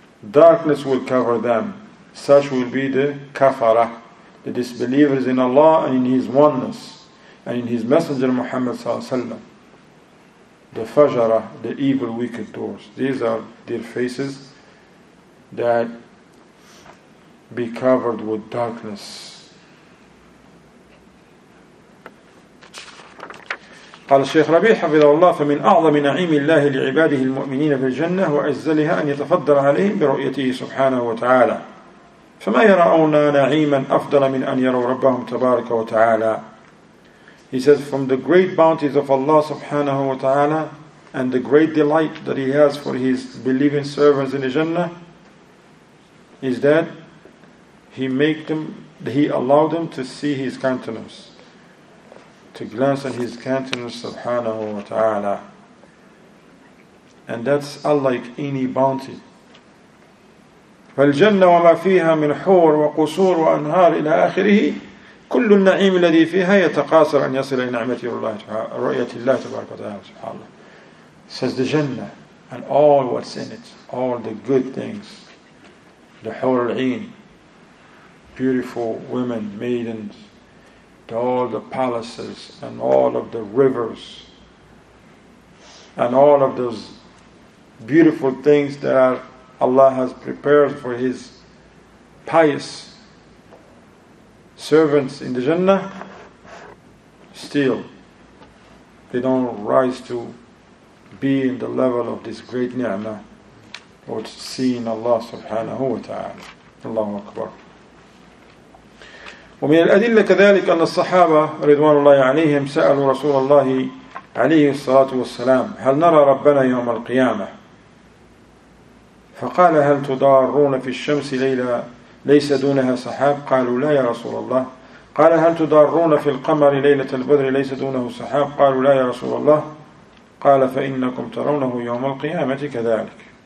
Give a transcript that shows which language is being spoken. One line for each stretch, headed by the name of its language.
English: Darkness will cover them. Such will be the kafara, the disbelievers in Allah and in His oneness and in His Messenger Muhammad sallallahu alaihi wasallam. The fajara, the evil, wicked doors. These are their faces that be covered with darkness.
Arabic: قال الشيخ ربيع حفظه الله فمن أعظم نعيم الله لعباده المؤمنين في الجنة وأجزلها أن يتفضل عليهم برؤيته سبحانه وتعالى. فما يرون نعيما أفضل من أن يروا ربهم تبارك وتعالى.
English: He says, from the great bounties of Allah subhanahu wa ta'ala and the great delight that He has for His believing servants in the Jannah is that He allowed them to see His countenance, to glance at His countenance subhanahu wa ta'ala. And that's unlike any bounty.
Arabic: فَالْجَنَّةَ وَمَا فِيهَا مِنْ حُورٍ وَقُصُورٍ وَأَنْهَارٍ إِلَى آخِرِهِ كل النعيم الذي فيها يتقاصر أن يصل إلى نعمة الله رؤية الله تبارك وتعالى سبحان الله.
English: Says the Jannah and all what's in it, all the good things, the Hur al-Ain, beautiful women, maidens, all the palaces and all of the rivers and all of those beautiful things that Allah has prepared for His pious servants in the Jannah, still they don't rise to be in the level of this great ni'mah or to seeing Allah subhanahu wa ta'ala.
Arabic: Allahu Akbar. ومن الأدلة كذلك أن الصحابة رضوان الله عليهم سألوا رسول الله عليه الصلاة والسلام هل نرى ربنا يوم القيامة فقال هل تضارون في الشمس ليلة ليس دونها سحاب قالوا لا يا رسول الله قال هل تضارون في القمر ليلة البدر ليس دونه سحاب قالوا لا يا رسول الله قال فإنكم ترونه يوم القيامة كذلك.